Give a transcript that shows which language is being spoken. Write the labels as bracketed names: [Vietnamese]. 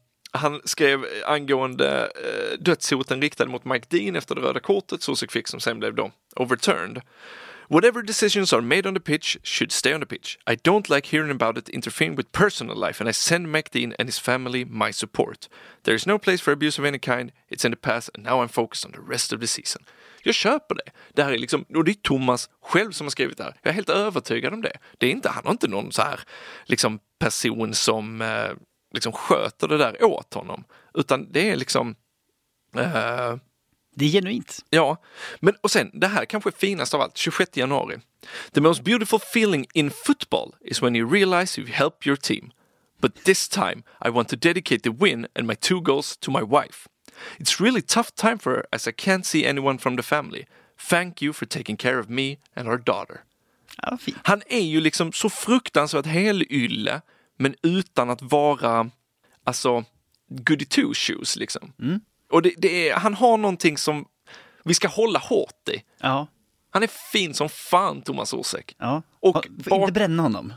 [Swedish] Han skrev angående dödshoten riktade mot Mike Dean efter det röda kortet Soucek fick, som sen blev då overturned. [English] Whatever decisions are made on the pitch should stay on the pitch. I don't like hearing about it interfering with personal life and I send Mike Dean and his family my support. There is no place for abuse of any kind. It's in the past and now I'm focused on the rest of the season. [Swedish] Jag köper det. Det här är liksom, och det är Thomas själv som har skrivit det här. Jag är helt övertygad om det. Det är inte, han har inte någon så här liksom person som liksom sköter det där åt honom. Utan det är liksom... Det är genuint. Ja, men och sen, det här kanske är finast av allt, 26 januari. [English] The most beautiful feeling in football is when you realize you've helped your team. But this time, I want to dedicate the win and my two goals to my wife. It's really tough time for her as I can't see anyone from the family. Thank you for taking care of me and our daughter. [Swedish] Ja, vad fint. Han är ju liksom så fruktansvärt helylle, men utan att vara, alltså, [English] goody two shoes [Swedish] liksom. Mm. Och det är, han har någonting som vi ska hålla hårt i. Ja. Han är fin som fan, Thomas Orsäck. Ja. Och inte bränna honom.